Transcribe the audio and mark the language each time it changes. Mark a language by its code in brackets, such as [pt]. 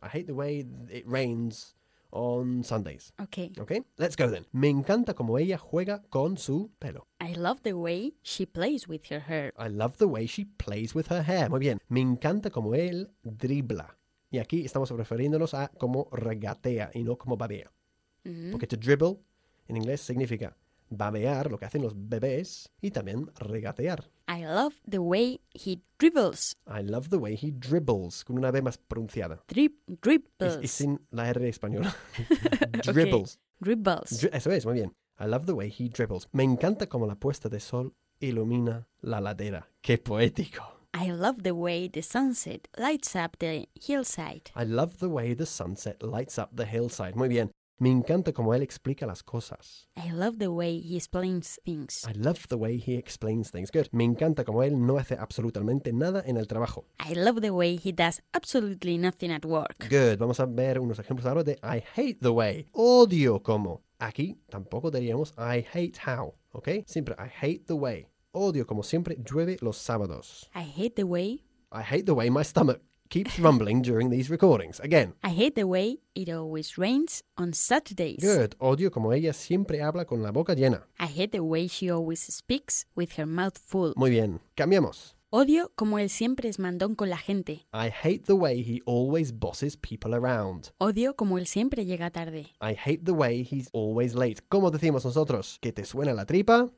[en] I hate the way it rains on Sundays. Okay. Okay? Let's go then. [es] Me encanta como ella juega con su pelo. [en] I love the way she plays with her hair. I love the way she plays with her hair. [es] Muy bien. Me encanta como él dribla. Y aquí estamos refiriéndonos a como regatea y no como babea. Mm-hmm. Porque [en] to dribble [es] en inglés significa babear, lo que hacen los bebés, y también regatear. [en] I love the way he dribbles. I love the way he dribbles, [es] con una B más pronunciada. [en] Dribbles. [es] Y sin la R española. Dribbles. [en] Okay. Dribbles. [es] Eso es, muy bien. [en] I love the way he dribbles. [es] Me encanta cómo la puesta de sol ilumina la ladera. ¡Qué poético! [en] I love the way the sunset lights up the hillside. I love the way the sunset lights up the hillside. [es] Muy bien. Me encanta cómo él explica las cosas. [en] I love the way he explains things. I love the way he explains things. Good. [es] Me encanta cómo él no hace absolutamente nada en el trabajo. [en] I love the way he does absolutely nothing at work. [es] Good. Vamos a ver unos ejemplos ahora de [en] I hate the way. [es] Odio cómo. Aquí tampoco diríamos [en] I hate how. Okay. [es] Siempre [en] I hate the way. [es] Odio cómo siempre llueve los sábados. [en] I hate the way. I hate the way my stomach keeps rumbling during these recordings. Again. I hate the way it always rains on Saturdays. Good. [es] Odio como ella siempre habla con la boca llena. [en] I hate the way she always speaks with her mouth full. [es] Muy bien. Cambiamos. Odio como él siempre es mandón con la gente. [en] I hate the way he always bosses people around. [es] Odio como él siempre llega tarde. [en] I hate the way he's always late. [es] ¿Cómo decimos nosotros? ¿Que te suena la tripa?